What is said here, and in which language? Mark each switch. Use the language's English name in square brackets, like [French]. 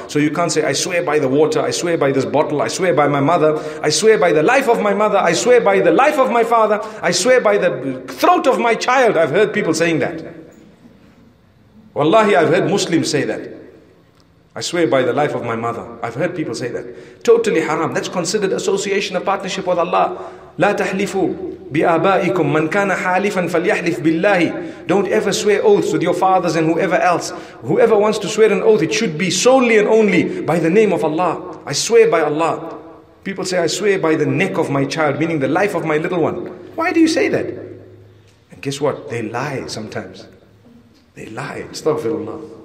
[English] So you can't say, "I swear by the water, I swear by this bottle, I swear by my mother, I swear by the life of my mother, I swear by the life of my father, I swear by the throat of my child." I've heard people saying that. Wallahi, I've heard Muslims say that. "I swear by the life of my mother." I've heard people say that. Totally haram. That's considered association, a partnership with Allah. [Arabic] لا تحلفوا بآبائكم من كان حالفا فليحلف بالله. [English] Don't ever swear oaths with your fathers and whoever else. Whoever wants to swear an oath, it should be solely and only by the name of Allah. "I swear by Allah." People say, "I swear by the neck of my child," meaning the life of my little one. Why do you say that? And guess what? They lie sometimes. They lie. Astaghfirullah.